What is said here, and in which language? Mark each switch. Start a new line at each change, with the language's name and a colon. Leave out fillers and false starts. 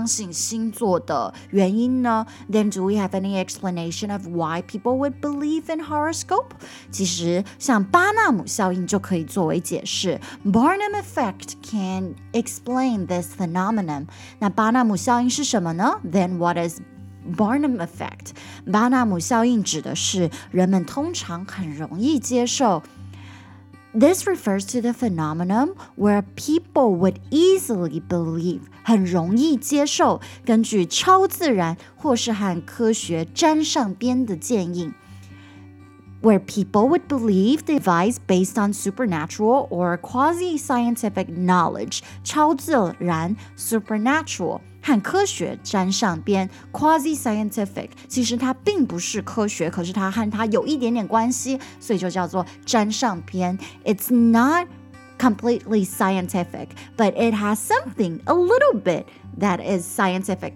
Chinese: 那有什么可以解释这样子相信星座的原因呢?
English: Then do we have any explanation of why people would believe in horoscope?
Chinese: 其实像巴纳姆效应就可以作为解释,
English: Barnum Effect can explain this phenomenon.
Chinese: 那巴纳姆效应是什么呢?
English: Then what is Barnum Effect?
Chinese: 巴纳姆效应指的是人们通常很容易接受,
English: This refers to the phenomenon where people would easily believe,
Chinese: 很容易接受, 根据超自然或是和科学沾上边的建议。
English: where people would believe the advice based on supernatural or quasi-scientific knowledge, 超自然 supernatural, 和科学沾上边 quasi-scientific,
Chinese: 其实它并不是科学可是它和它有一点点关系所以就叫做沾上边
English: It's not completely scientific, but it has something a little bit that is scientific.